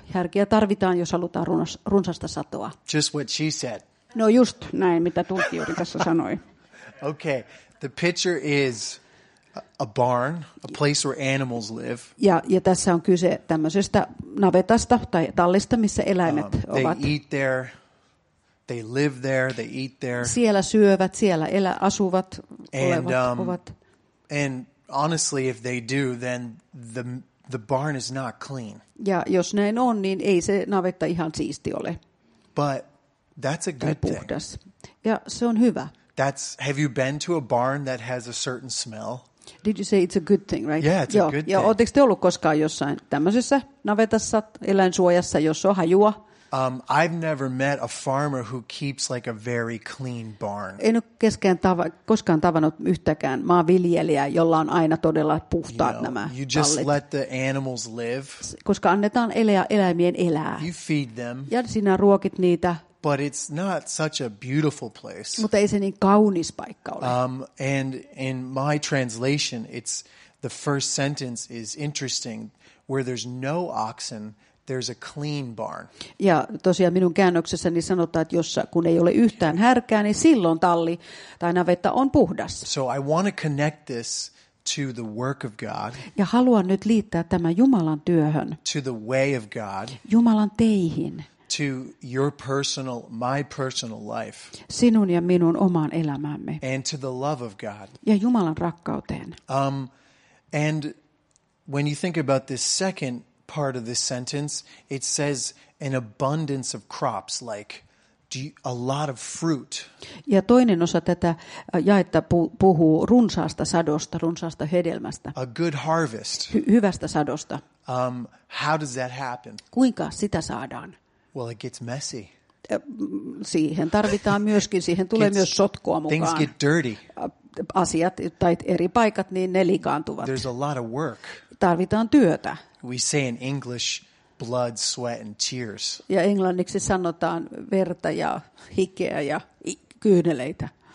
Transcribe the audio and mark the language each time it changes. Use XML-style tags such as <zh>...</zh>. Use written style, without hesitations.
<fi>Härkiä tarvitaan, jos halutaan runsasta satoa.</fi> <en>Just what she said.</en> <fi>No just näin, mitä tulkki juuri tässä sanoi.</fi> <en>Okay, the picture is a barn, a place where animals live.</en> <fi>Ja tässä on kyse tämmöisestä navetasta tai tallista, missä eläimet ovat.</fi> <en>They eat there. They live there, they eat there.</en> <fi>Siellä syövät, siellä asuvat, ovat.</fi> <en>And honestly, if they do, then the barn is not clean.</en> <fi>Ja jos näin on, niin ei se navetta ihan siisti ole.</fi> <en>But that's a good thing.</en> <fi>Ja se on hyvä.</fi> <en>Have you been to a barn that has a certain smell? Did you say it's a good thing, right? Yeah, it's a good thing.</en> <fi>Joo, oletteko te ollut koskaan jossain tämmöisessä navetassa, eläinsuojassa, jos on hajua?</fi> <en>I've never met a farmer who keeps like a very clean barn.</en> <fi>En ole koskaan tavannut yhtäkään maanviljelijää, jolla on aina todella puhtaat nämä tallit.</fi> <en>You just let the animals live.</en> <fi>Koska annetaan eläimien elää.</fi> <en>You feed them.</en> <fi>Ja sinä ruokit niitä.</fi> <en>But it's not such a beautiful place.</en> <fi>Mutta ei se niin kaunis paikka ole.</fi> <en>And in my translation, it's the first sentence is interesting. Where there's no oxen, there's a clean barn.</en> <fi>Ja tosiaan minun käännöksessäni sanotaan, että jossa kun ei ole yhtään härkää, niin silloin talli tai navetta on puhdas.</fi> <en>So I want to connect this to the work of God.</en> <fi>Ja haluan nyt liittää tämän Jumalan työhön.</fi> <en>To the way of God.</en> <fi>Jumalan teihin.</fi> <en>To your personal, my personal life.</en> <fi>Sinun ja minun omaan elämäämme.</fi> <en>And to the love of God.</en> <fi>Ja Jumalan rakkauteen.</fi> <en>And when you think about this second part of this sentence, it says an abundance of crops, like a lot of fruit.</en> <fi>Ja toinen osa tätä jaetta puhuu runsaasta sadosta, runsaasta hedelmästä.</fi> <en>A good harvest.</en> <fi>Hyvästä sadosta.</fi> <en>How does that happen?</en> <fi>Kuinka sitä saadaan?</fi> <en>Well, it gets messy.</en> <fi>Siihen tarvitaan myöskin, siihen tulee myös sotkua mukaan.</fi> <en>Things get dirty.</en> <fi>Asiat tai eri paikat, niin ne likaantuvat.</fi> <en>There's a lot of work.</en> <fi>Tarvitaan työtä.</fi> <en>We say in English, blood, sweat and tears.</en> <fi>Ja englanniksi sanotaan verta ja hikeä ja kyyneleitä.</fi>